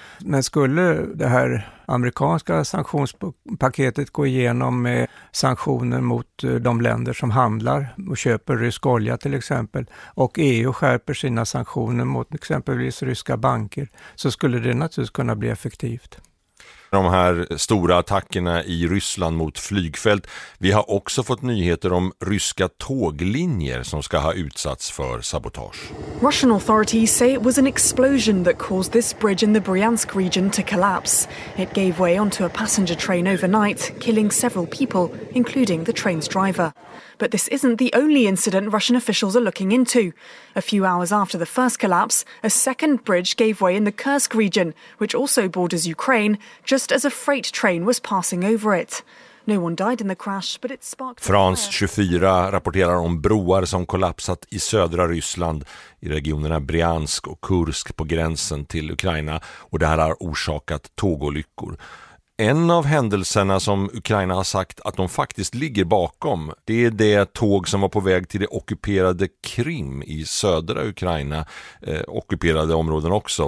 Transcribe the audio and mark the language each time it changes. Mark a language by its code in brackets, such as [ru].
[sv] Men skulle det här amerikanska sanktionspaketet gå igenom med sanktioner mot de länder som handlar och köper rysk olja till exempel, och EU skärper sina sanktioner mot exempelvis ryska banker, så skulle det naturligtvis kunna bli effektivt. De här stora attackerna i Ryssland mot flygfält. Vi har också fått nyheter om ryska tåglinjer som ska ha utsatts för sabotage. [en] Russian authorities say it was an explosion that caused this bridge in the Bryansk region to collapse. It gave way onto a passenger train overnight, killing several people, including the train's driver. But this isn't the only incident Russian officials are looking into. A few hours after the first collapse, a second bridge gave way in the Kursk region, which also borders Ukraine, just as a freight train was passing over it. No one died in the crash, but it sparked... [sv] France 24 rapporterar om broar som kollapsat i södra Ryssland, i regionerna Bryansk och Kursk på gränsen till Ukraina, och det här har orsakat tågolyckor. En av händelserna som Ukraina har sagt att de faktiskt ligger bakom, det är det tåg som var på väg till det ockuperade Krim i södra Ukraina, ockuperade områden också.